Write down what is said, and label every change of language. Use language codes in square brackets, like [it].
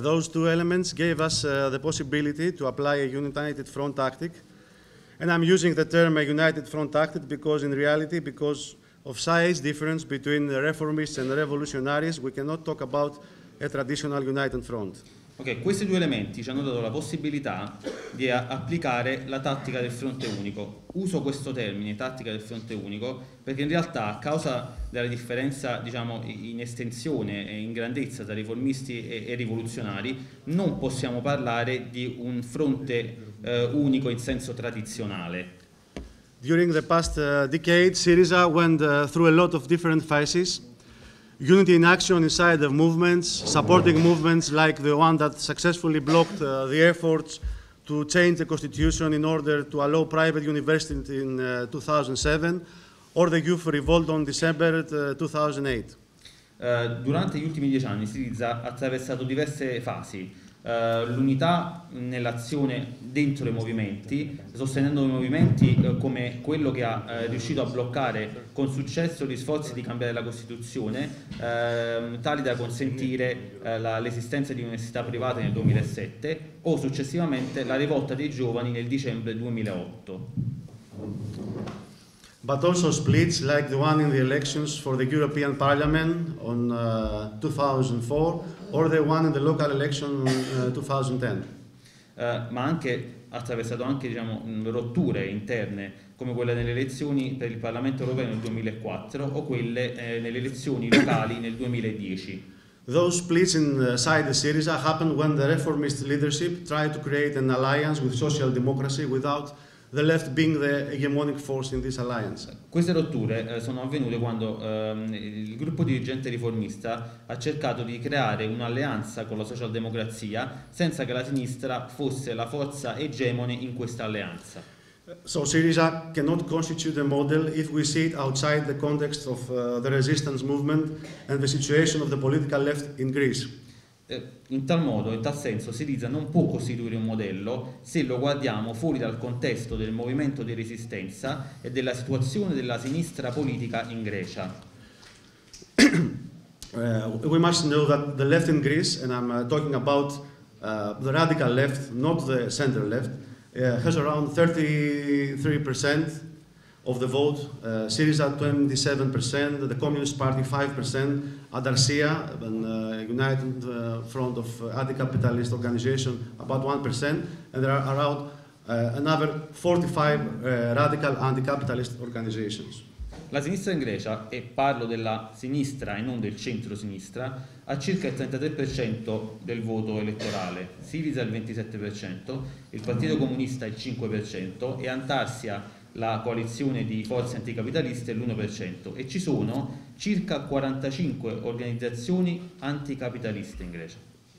[en] Those two elements gave us the possibility to apply a united front tactic, and I'm using the term a united front tactic because in reality, because of size difference between the reformists and the revolutionaries, we cannot talk about a traditional united front. [it] Ok, questi due elementi ci hanno dato la possibilità di applicare la tattica del fronte unico. Uso questo termine, tattica del fronte unico, perché in realtà a causa della differenza, in estensione e in grandezza tra riformisti e rivoluzionari, non possiamo parlare di un fronte unico in senso tradizionale. [en] During the past decade, Syriza went through a lot of different phases. Unity in action inside the movements, supporting movements like the one that successfully blocked the efforts to change the constitution in order to allow private universities in 2007, or the youth revolt on December 2008. [it] Durante gli ultimi 10 anni Syriza ha attraversato diverse fasi. L'unità nell'azione dentro i movimenti, sostenendo i movimenti come quello che ha riuscito a bloccare con successo gli sforzi di cambiare la Costituzione, tali da consentire l'esistenza di università private nel 2007, o successivamente la rivolta dei giovani nel dicembre 2008. [en] But also splits like the one in the elections for the European Parliament on 2004. Or the one in the local election 2010. [it] Ma anche ha attraversato anche rotture interne come quelle nelle elezioni per il Parlamento europeo nel 2004 o quelle nelle elezioni locali nel 2010. [en] Those splits inside the Syriza happened when the reformist leadership tried to create an alliance with social democracy without the left being the hegemonic force in this alliance. [it] Queste rotture sono avvenute quando il gruppo dirigente riformista ha cercato di creare un'alleanza con la socialdemocrazia senza che la sinistra fosse la forza egemone in questa alleanza. [en] So Syriza cannot constitute a model if we see it outside the context of the resistance movement and the situation of the political left in Greece. [it] In tal modo, in tal senso, Siriza non può costituire un modello se lo guardiamo fuori dal contesto del movimento di resistenza e della situazione della sinistra politica in Grecia. [en] We must know that the left in Greece, and I'm talking about the radical left, not the center left, has around 33% of the vote, Syriza 27%, the Communist Party 5%, Adarsia, United Front of Anti-Capitalist Organization, about 1%, and there are around another 45 radical anti-capitalist organizations. [it] La sinistra in Grecia, e parlo della sinistra e non del centro-sinistra, ha circa il 33% del voto elettorale, Syriza il 27%, il Partito Comunista il 5% e Antarsia, la coalizione di forze anticapitaliste, l'1%, e ci sono circa 45 organizzazioni anticapitaliste in Grecia.